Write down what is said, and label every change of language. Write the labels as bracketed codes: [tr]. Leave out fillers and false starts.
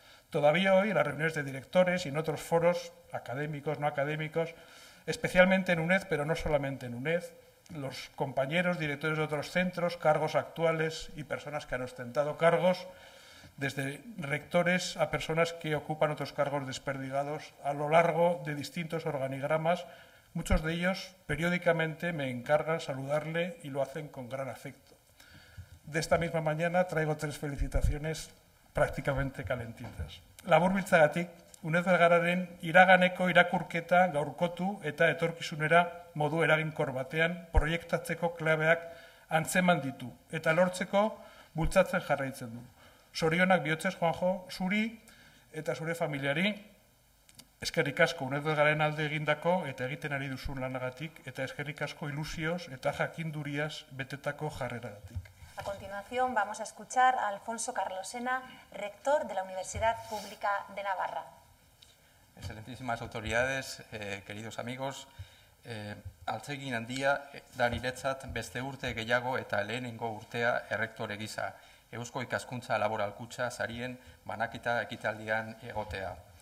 [es] Todavía hoy, en las reuniones de directores y en otros foros, académicos, no académicos, especialmente en UNED, pero no solamente en UNED, los compañeros, directores de otros centros, cargos actuales y personas que han ostentado cargos, desde rectores a personas que ocupan otros cargos desperdigados, a lo largo de distintos organigramas, muchos de ellos periódicamente me encargan saludarle y lo hacen con gran afecto. De esta misma mañana traigo 3 felicitaciones prácticamente calentitas. [eu] Laburbiltzagatik, UNED Bergararen iraganeko irakurketa gaurkotu eta etorkizunera modu eraginkor batean proiektatzeko klabeak antzeman ditu eta lortzeko bultzatzen jarraitzen du. Sorionak bihotzez, Juanjo, zuri eta zure familiari, eskerrik asko UNED Bergararen alde egindako eta egiten ari duzun lanagatik eta eskerrik asko ilusioz eta jakindurias betetako jarreragatik. [es] A continuación vamos a escuchar a Alfonso Carlos Sena, rector de la Universidad Pública de Navarra. Excelentísimas autoridades, queridos amigos, [eu] altzegin handia da niretzat beste urte gehiago eta lehenengo urtea errektore gisa Eusko Ikaskuntza Laboralkutxa sarien banaketa ekitaldian egotea.